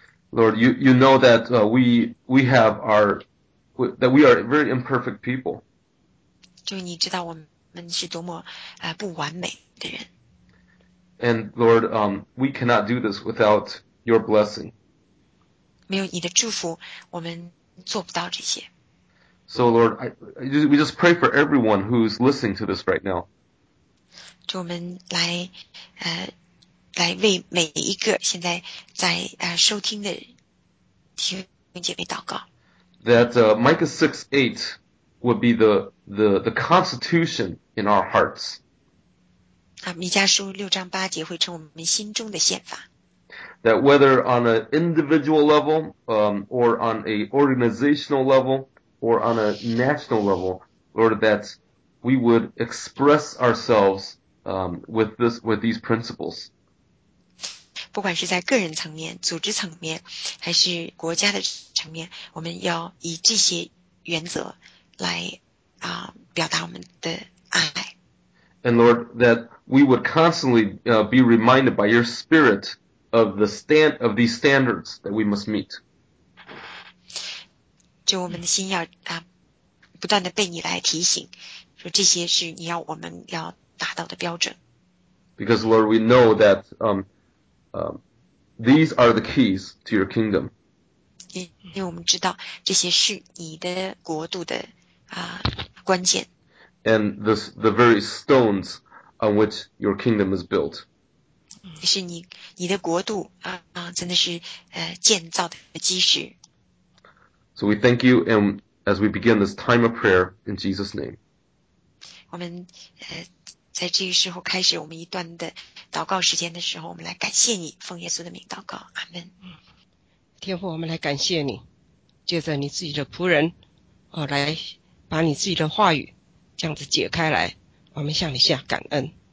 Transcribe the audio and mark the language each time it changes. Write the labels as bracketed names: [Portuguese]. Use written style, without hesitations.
[English] Lord, you know that we have our, that we are very imperfect people. [Chinese] 就你知道我们是多么不完美的人。 [English] And Lord, we cannot do this without your blessing. [Chinese] 没有你的祝福，我们做不到这些。 [English] So Lord, we just pray for everyone who's listening to this right now. [Chinese] 就我们来来为每一个现在在收听的弟兄姐妹祷告。 [English] That Micah 6:8 would be the constitution in our hearts. [Chinese] 弥迦书六章八节会成我们心中的宪法。 [English] That whether on an individual level, or on an organizational level, or on a national level, Lord, that we would express ourselves with these principles. [Chinese] 不管是在个人层面、组织层面，还是国家的层面，我们要以这些原则来表达我们的爱。 [English] And Lord, that we would constantly be reminded by your spirit of the stand of these standards that we must meet. [Chinese] 就我们的心要不断的被你来提醒，说这些是你要我们要达到的标准。 [English] Because Lord, we know that these are the keys to your kingdom. [Chinese] 因为我们知道这些是你的国度的 关键. [English] And the very stones on which your kingdom is built. [Chinese] 是你的国度 真的是建造的基石. [English] So we thank you, and as we begin this time of prayer, in Jesus' name. [Chinese] 我们 在这个时候开始我们一段的祷告时间的时候，我们来感谢你，奉耶稣的名祷告， 阿们。天父，我们来感谢你， 借着你自己的仆人， 来把你自己的话语这样子解开来， 我们向你下感恩。